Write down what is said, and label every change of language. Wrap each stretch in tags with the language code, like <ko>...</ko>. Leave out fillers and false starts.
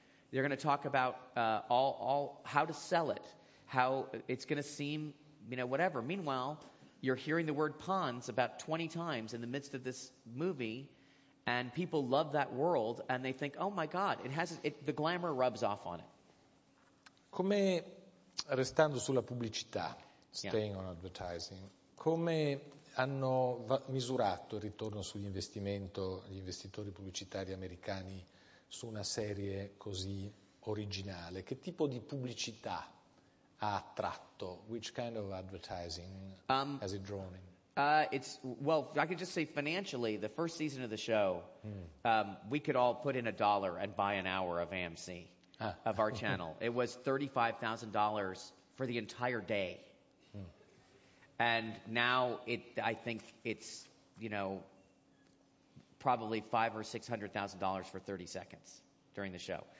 <en>You're going to talk about how to sell it, how it's going to seem, you know, whatever. Meanwhile, you're hearing the word Pond's about 20 times in the midst of this movie, and people love that world, and they think, oh my God, the glamour rubs off on it.</en> <it>Come restando sulla pubblicità,</it> <en>staying on advertising,</en> <it>come hanno misurato il ritorno sull'investimento gli investitori pubblicitari americani su una serie così originale? Che tipo di pubblicità ha attratto?</it> <en>Which kind of advertising has it drawn in? I could just say financially, the first season of the show, we could all put in a dollar and buy an hour of AMC, of our channel. It was $35,000 for the entire day. And now I think it's, you know, probably $500,000 or $600,000 for 30 seconds during the show.</en>